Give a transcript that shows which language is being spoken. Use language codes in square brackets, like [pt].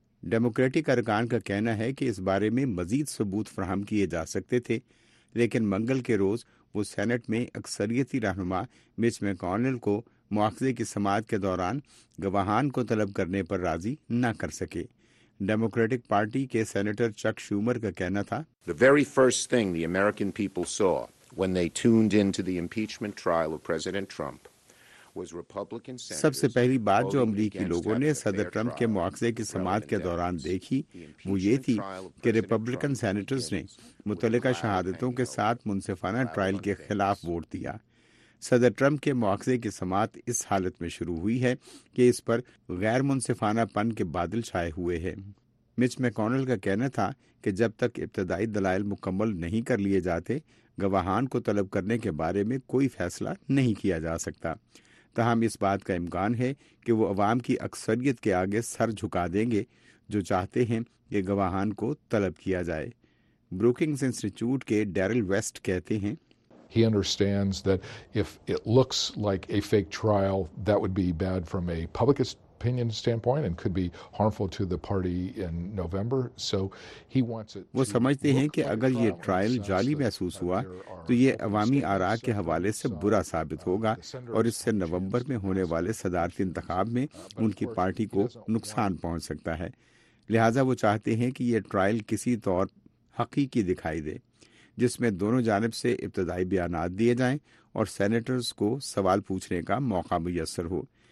[ur] Democratic ارکان کا کہنا ہے کہ اس بارے میں مزید ثبوت فراہم کیے جا سکتے تھے، لیکن منگل کے روز وہ سینٹ میں اکثریتی رہنما مچ میکونل کو مواخذے کی سماعت کے دوران گواہان کو طلب کرنے پر راضی نہ کر سکے۔ ڈیموکریٹک پارٹی کے سینیٹر چک شومر کا کہنا تھا، [en] The very first thing the American people saw when they tuned into the impeachment trial of President Trump was Republican senators [ur] سب سے پہلی بات جو امریکی لوگوں نے صدر ٹرمپ کے مواخذے کی سماعت کے دوران دیکھی وہ یہ تھی کہ ریپبلکن سینیٹرز نے متعلقہ شہادتوں کے ساتھ منصفانہ ٹرائل کے خلاف ووٹ دیا۔ صدر ٹرمپ کے مواخذے کی سماعت اس حالت میں شروع ہوئی ہے کہ اس پر غیر منصفانہ پن کے بادل چھائے ہوئے ہیں۔ مچ میکونل کا کہنا تھا کہ جب تک ابتدائی دلائل مکمل نہیں کر لیے جاتے، گواہان کو طلب کرنے کے بارے میں کوئی فیصلہ نہیں کیا جا سکتا، تاہم اس بات کا امکان ہے کہ وہ عوام کی اکثریت کے آگے سر جھکا دیں گے جو چاہتے ہیں کہ گواہان کو طلب کیا جائے۔ بروکنگز انسٹیٹیوٹ کے ڈیرل ویسٹ کہتے ہیں، [en] He understands that if it looks like a fake trial, that would be bad from a public opinion standpoint and could be harmful to the party in November. So he wants it. [ur] وہ سمجھتے ہیں کہ اگر یہ trial جعلی محسوس ہوا تو یہ عوامی آراء کے حوالے سے برا ثابت ہوگا اور اس سے نومبر میں ہونے والے صدارتی انتخاب میں ان کی پارٹی کو نقصان پہنچ سکتا ہے. لہٰذا وہ چاہتے ہیں کہ یہ ٹرائل کسی طور حقیقی دکھائی دے جس میں دونوں جانب سے ابتدائی بیانات دیے جائیں اور سینیٹرز کو سوال پوچھنے کا موقع میسر ہو.